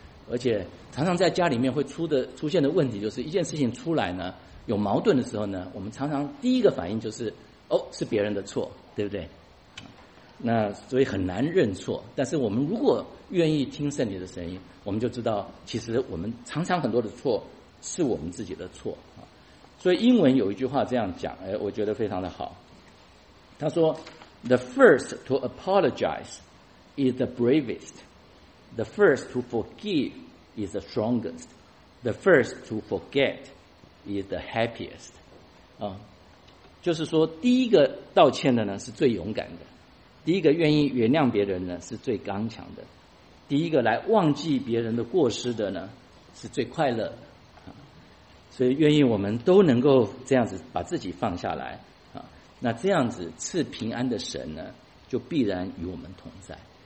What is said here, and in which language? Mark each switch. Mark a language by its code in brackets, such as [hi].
[zh] 而且常常在家里面会出现的问题，就是一件事情出来呢有矛盾的时候呢，我们常常第一个反应就是哦是别人的错，对不对？那所以很难认错，但是我们如果愿意听圣灵的声音，我们就知道其实我们常常很多的错是我们自己的错啊。所以英文有一句话这样讲，哎，我觉得非常的好。 [en] 他说 ：“The first to apologize is the bravest. The first to forgive is the strongest. The first to forget is the happiest.” [zh] 啊，就是说，第一个道歉的呢是最勇敢的，第一个愿意原谅别人呢是最刚强的，第一个来忘记别人的过失的呢是最快乐的。所以愿意我们都能够这样子把自己放下来啊，那这样子赐平安的神呢就必然与我们同在。